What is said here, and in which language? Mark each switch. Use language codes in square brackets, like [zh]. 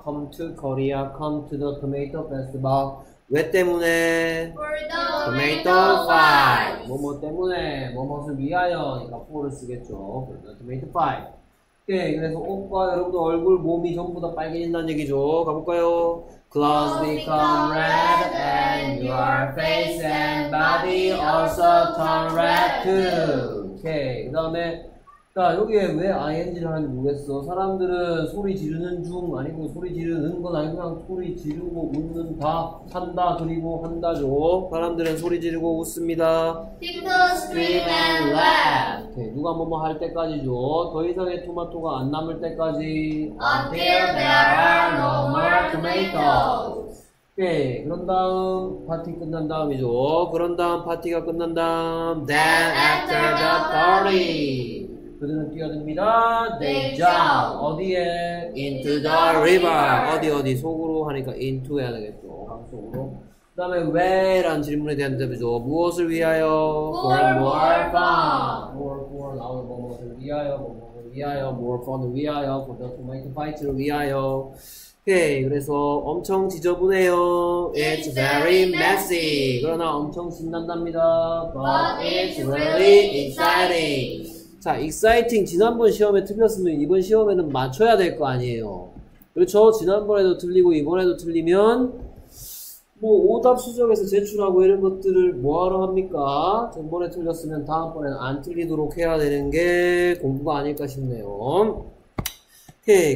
[en] Come to Korea, come to the tomato festival. [ko] 왜 때문에? [en] For the tomato fight. [ko] 뭐뭐 때문에? 뭐뭐를 위하여? 그러니까 for를 쓰겠죠. [en] For the tomato fight. [ko] 오케이, 그래서 옷과 여러분들 얼굴, 몸이 전부 다 빨개진다는 얘기죠. 가볼까요? [en] Clothes become red and your face and body also turn red too. [ko] 오케이. 그 다음에, 자, 여기에 왜 ing를 하는지 모르겠어. 사람들은 소리 지르는 중 아니고 소리 지르는 건 아니고 그냥 소리 지르고 웃는다, 산다, 그리고 한다죠. 사람들은 소리 지르고 웃습니다. [en] People scream and laugh. [ko] 오케이. 누가 뭐뭐 할 때까지죠. 더 이상의 토마토가 안 남을 때까지. [en] Until there are no more tomatoes. [ko] 오케이. 그런 다음, 파티 끝난 다음이죠. 그런 다음, 파티가 끝난 다음. [en] Then after the party. [ko] 그들은 뛰어듭니다. [en] They jump. [ko] 어디에? [en] Into the river. [ko] 어디 어디 속으로 하니까 into 해야 되겠죠. 속으로. 그 다음에 왜? 라는 질문에 대한 대답이죠. 무엇을 위하여? [en] For more fun. For [ko] 나오는 무엇을 위하여? 무엇을 위하여? [en] More fun [ko] 을 위하여? [en] For the tomato fight [ko] 를 위하여? 오케이. 그래서 엄청 지저분해요. [en] It's very messy. [ko] 그러나 엄청 신난답니다. [en] But it's really exciting. [ko] 자, exciting. 지난번 시험에 틀렸으면 이번 시험에는 맞춰야 될 거 아니에요. 그렇죠? 지난번에도 틀리고 이번에도 틀리면 뭐 오답 수정해서 제출하고 이런 것들을 뭐하러 합니까? 전번에 틀렸으면 다음번에는 안 틀리도록 해야 되는 게 공부가 아닐까 싶네요. 오케이.